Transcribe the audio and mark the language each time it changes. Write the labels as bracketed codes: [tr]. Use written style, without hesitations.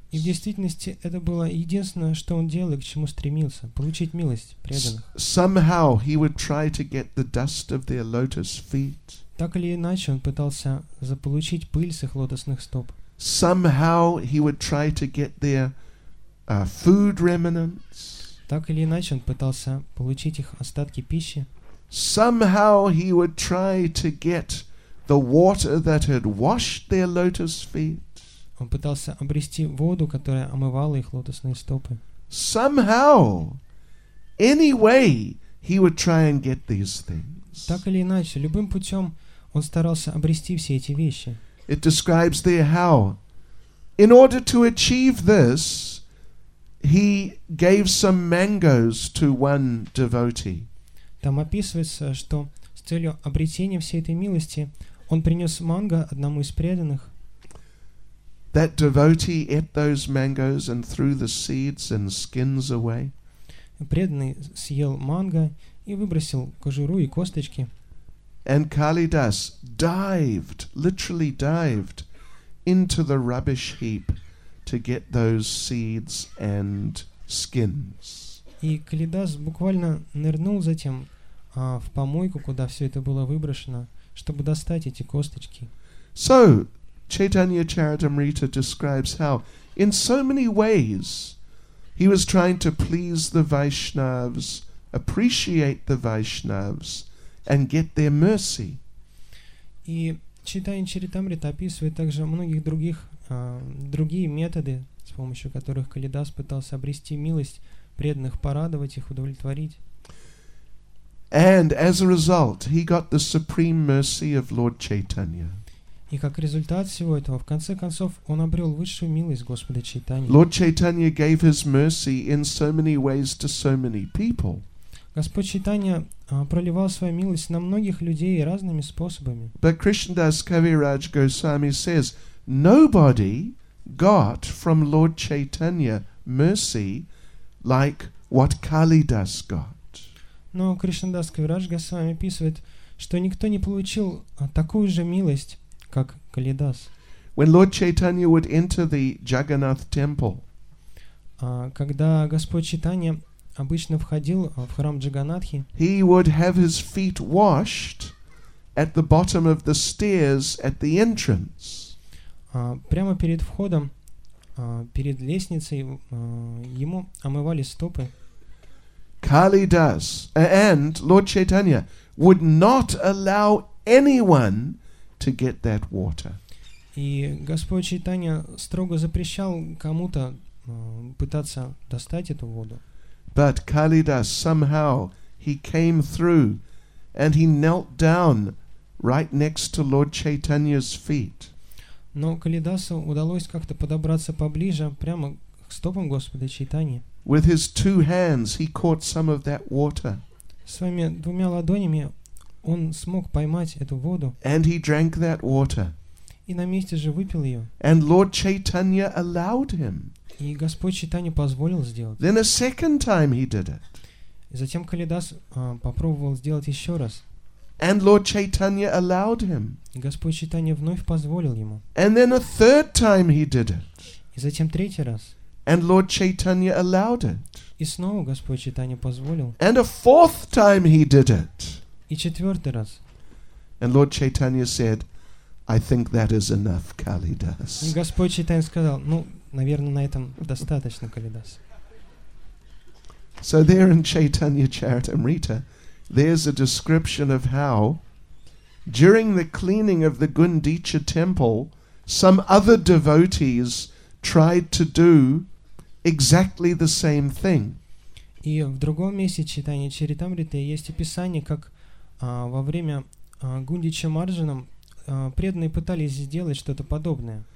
[ru] И в действительности это было единственное, что он делал и к чему стремился – получить милость преданных. [en] Somehow he would try to get the dust of their lotus feet. [ru] Так или иначе, он пытался заполучить пыль с их лотосных стоп. [en] Somehow he would try to get their food remnants. [ru] Так или иначе, он пытался получить их остатки пищи. [en] Somehow he would try to get the water that had washed their lotus feet. [ru] Он пытался обрести воду, которая омывала их лотосные стопы. [en] Somehow, any way, he would try and get these things. [ru] Так или иначе, любым путем он старался обрести все эти вещи. [en] It describes there how, in order to achieve this, he gave some mangoes to one devotee. [ru] Там описывается, что с целью обретения всей этой милости он принес манго одному из преданных. [en] That devotee ate those mangoes and threw the seeds and skins away. [ru] Преданный съел манго и выбросил кожуру и косточки. [en] And Kalidas dived into the rubbish heap to get those seeds and skins. [ru] И Калидас буквально нырнул затем в помойку, куда все это было выброшено, чтобы достать эти косточки. [en] So Chaitanya Charitamrita describes how in so many ways he was trying to please the Vaishnavas, appreciate the Vaishnavas, and get their mercy. [ru] И Chaitanya Charitamrita описывает также многих других другие методы, с помощью которых Калидас пытался обрести милость преданных, порадовать их, удовлетворить. [en] And as a result, he got the supreme mercy of Lord Chaitanya. [ru] И как результат всего этого, в конце концов, он обрел высшую милость Господа Чайтаньи. [en] Lord Chaitanya gave his mercy in so many ways to so many people. [ru] Господь Чайтанья проливал свою милость на многих людей разными способами. [en] But Krishnadas Kaviraj Goswami says, nobody got from Lord Chaitanya mercy like what Kalidas got. [ru] Но Кришнадас Кавирадж Госвами описывает, что никто не получил такую же милость, как Калидас. [en] When Lord Chaitanya would enter the Jagannath temple, [ru] когда Господь Чайтанья обычно входил в храм Джаганатхи, [en] he would have his feet washed at the bottom of the stairs at the entrance. [ru] Прямо перед входом, перед лестницей, ему омывали стопы. [en] Kalidas and Lord Chaitanya would not allow anyone to get that water. [ru] И Господь Чайтанья строго запрещал кому-то пытаться достать эту воду. [en] But Kalidas somehow he came through and he knelt down right next to Lord Chaitanya's feet. [ru] Но Калидасу удалось как-то подобраться поближе, прямо к стопам Господа Чайтаньи. [en] With his two hands, he caught some of that water. [ru] Своими двумя ладонями он смог поймать эту воду. [en] And he drank that water. [ru] И на месте же выпил ее. [en] And Lord Chaitanya allowed him. [ru] И Господь Чайтанья позволил сделать. [en] Then a second time he did it. [ru] И затем Калидас попробовал сделать еще раз. [en] And Lord Chaitanya allowed him. [ru] И Господь Чайтанья вновь позволил ему. [en] And then a third time he did it. [ru] И затем третий раз. [en] And Lord Chaitanya allowed it. [ru] И снова Господь Чайтанья позволил. [en] And a fourth time he did it. [ru] И четвертый раз. [en] And Lord Chaitanya said, I think that is enough, Kalidas. [ru] И Господь Чайтанья сказал, ну, наверное, на этом достаточно, Калидас. [en] So there in Chaitanya Charitamrita, there's a description of how during the cleaning of the Gundicha temple, some other devotees tried to do exactly the same thing. [ru] И в другом месте Чайтанья Чаритамриты есть описание, как во время Гундича Марджанам преданные пытались сделать что-то подобное.